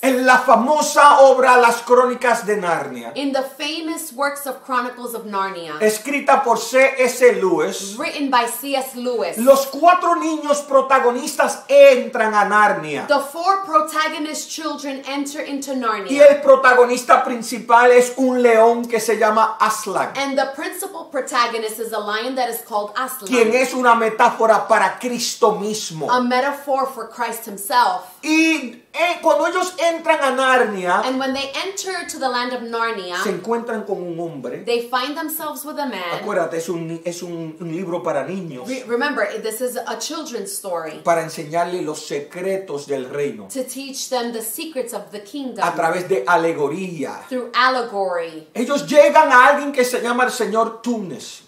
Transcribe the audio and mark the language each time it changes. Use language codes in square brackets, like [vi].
[es] En la famosa obra Las Crónicas de Narnia. [en] In the famous works of Chronicles of Narnia. [es] Escrita por C.S. Lewis. [en] Written by C.S. Lewis. [es] Los cuatro niños protagonistas entran a Narnia. [en] The four protagonist children enter into Narnia. [es] Y el protagonista principal es un león que se llama Aslan. [en] And the principal protagonist is a lion that is called Aslan. [es] Quien es una metáfora para Cristo mismo. [en] A metaphor for Christ himself. [es] Y cuando ellos entran a Narnia, [en] and when they enter to the land of Narnia, [es] se encuentran con un hombre. [en] They find themselves with a man. [es] Acuérdate, es un libro para niños. [en] Remember, this is a children's story. [es] Para enseñarle los secretos del reino. [en] To teach them the secrets of the kingdom. [es] A través de alegoría. [en] Through allegory. [es] Ellos llegan a alguien que se llama el señor Tumnus.